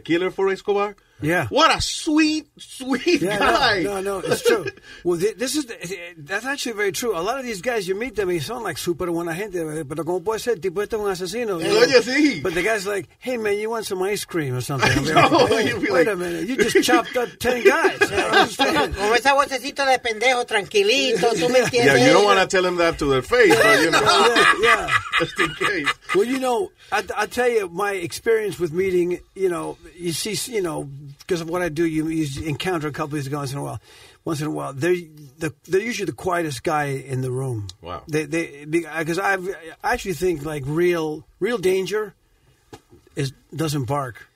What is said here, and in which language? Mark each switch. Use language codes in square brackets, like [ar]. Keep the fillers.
[en] killer for Ray Escobar. Yeah. What a sweet, sweet yeah, guy. No, no, no, it's true. well, the, this is the, that's actually very true. A lot of these guys, you meet them, they sound like super [es] buena gente, [en] but [es] como puede ser, tipo este un asesino. Oye, sí. [en] But the guy's like, hey, man, you want some ice cream or something? I no, like, hey, wait, like... wait a minute, you just chopped up 10 guys. [es] Como esa vocecita de pendejo, tranquilito, tú me entiendes. [en] Yeah, you don't want to tell them that to their face, but you know. Just in case. Well, you know, I, I tell you my experience with meeting you know you see you know because of what I do you, you encounter a couple of these guys once in a while once in a while they're the, they're usually the quietest guy in the room wow they they because I actually think like real real danger is doesn't bark